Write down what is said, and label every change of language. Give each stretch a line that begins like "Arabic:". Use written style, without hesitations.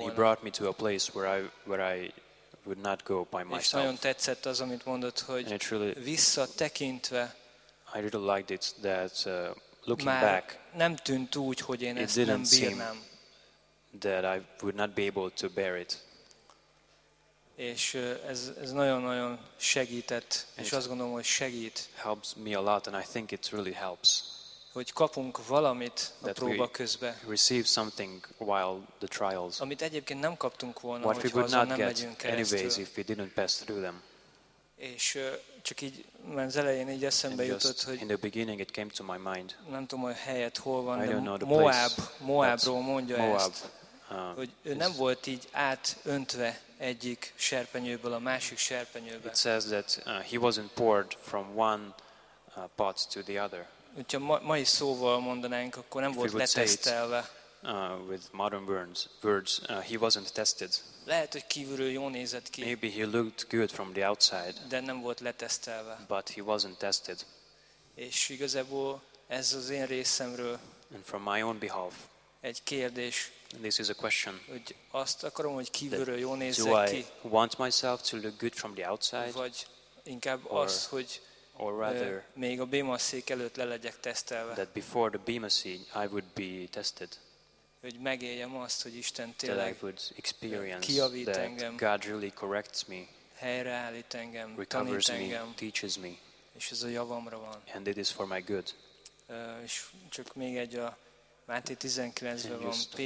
English: And he brought me to a place where I would not go by myself.
Hungarian: És nagyon tetszett az, amit mondott, hogy
English: really,
Hungarian: visszatekintve,
English: I really liked it that looking back,
Hungarian: nem tűnt úgy, hogy én ezt nem bírnám.
English: That I would not be able to bear it.
Hungarian: És ez nagyon-nagyon segített, és azt gondolom, hogy segít.
English: Helps me a lot, and I think it really helps.
Hungarian: Hogy kapunk valamit a próba közben.
English: Receive something while the trials.
Hungarian: Amit egyébként nem kaptunk volna, hogyha azon nem megyünk keresztül.
English: Anyways, if we didn't pass through them.
Hungarian: És csak így, mert az elején így eszembe jutott, hogy
English: in the beginning it came to my mind.
Hungarian: Nem tudom, hogy helyet hol van, de Moábról mondja
English: Moab,
Hungarian: ezt, hogy ő nem volt így átöntve egyik serpenyőből a másik serpenyőbe.
English: It says that he wasn't poured from one pot to the other.
Hungarian: Hogyha mai szóval mondanánk, akkor nem volt letesztelve.
English: With modern words, he wasn't tested.
Hungarian: Lehet, hogy kívülről jó nézett ki.
English: Maybe he looked good from the outside.
Hungarian: De nem volt letesztelve.
English: But he wasn't tested.
Hungarian: És igazából ez az én részemről.
English: And from my own behalf.
Hungarian: Egy kérdés.
English: And this is a question.
Hungarian: Hogy azt akarom, hogy kívülről jó nézzek
English: do
Hungarian: ki.
English: Do I want myself to look good from the outside?
Hungarian: Vagy inkább az, hogy
English: or rather,
Hungarian: még a Bema szék előtt le legyek tesztelve.
English: That before the Bema seat, I would be tested.
Hungarian: Hogy megéljem azt, hogy Isten tényleg kijavít engem.
English: God really corrects me.
Hungarian: Helyreállít engem,
English: recovers
Hungarian: tanít engem,
English: me, teaches me.
Hungarian: És ez a javamra van.
English: And it is for my good.
Hungarian: És csak még egy a Máté 19-ben van Péter.